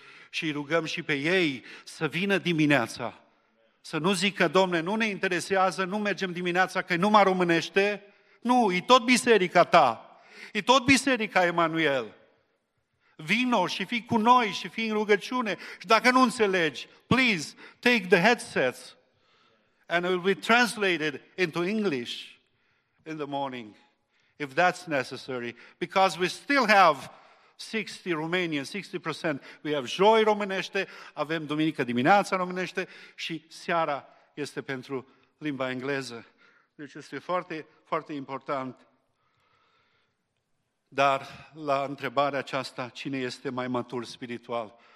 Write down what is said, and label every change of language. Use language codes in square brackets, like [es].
[ro] Și îi rugăm și pe ei să vină dimineața. Să nu zică, domne, nu ne interesează, nu mergem dimineața, că e numai românește. Nu, e tot biserica ta. E tot biserica Emanuel. Vino și fii cu noi și fii în rugăciune. [en] Și dacă nu înțelegi, please, take the headsets and it will be translated into English in the morning, if that's necessary. Because we still have 60 Romanian, 60%. We have [ro] joi românește, avem duminică dimineața românește și seara este pentru limba engleză. Deci este foarte, foarte important. Dar la întrebarea aceasta, cine este mai matur spiritual?